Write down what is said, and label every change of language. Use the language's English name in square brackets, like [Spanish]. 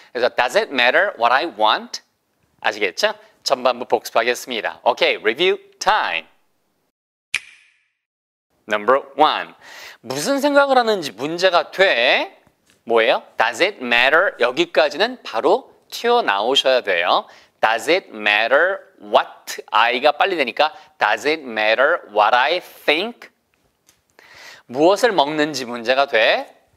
[English] 그래서 Does it matter what I want? [Korean] 아시겠죠? 전반부 복습하겠습니다. [English] Okay, review time. Number one. [Korean] 무슨 생각을 하는지 문제가 돼? 뭐예요? [English] Does it matter? [Korean] 여기까지는 바로 튀어나오셔야 돼요. [English] Does it matter what I가 [Korean] 빨리 되니까 [English] Does it matter what I think? [Korean] 무엇을 먹는지 문제가 돼?